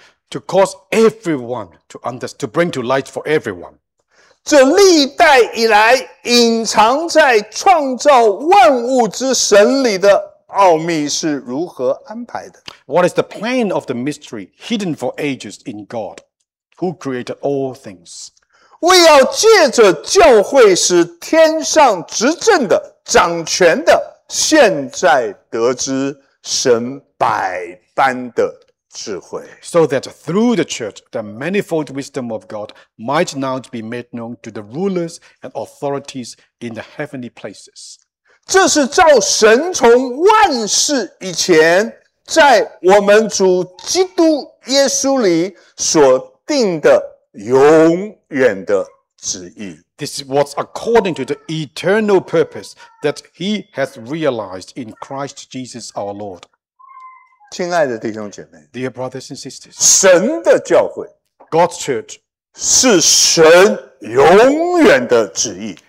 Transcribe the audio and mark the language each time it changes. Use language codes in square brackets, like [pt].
[en] To cause everyone to understand, to bring to light for everyone. [zh] 这历代以来隐藏在创造万物之神里的奥秘是如何安排的。 [en] What is the plan of the mystery hidden for ages in God? Who created all things? [zh] 为要借着教会使天上执政的、掌权的，现在得知神百般的智慧。 [en] So that through the church, the manifold wisdom of God might now be made known to the rulers and authorities in the heavenly places. [zh] 这是照神从万事以前，在我们主基督耶稣里所定的永远的旨意。 [en] This was according to the eternal purpose that he has realized in Christ Jesus our Lord. [zh] 亲爱的弟兄姐妹， [en] Dear brothers and sisters, [zh] 神的教会， [en] God's church, [zh] 是神永远的旨意。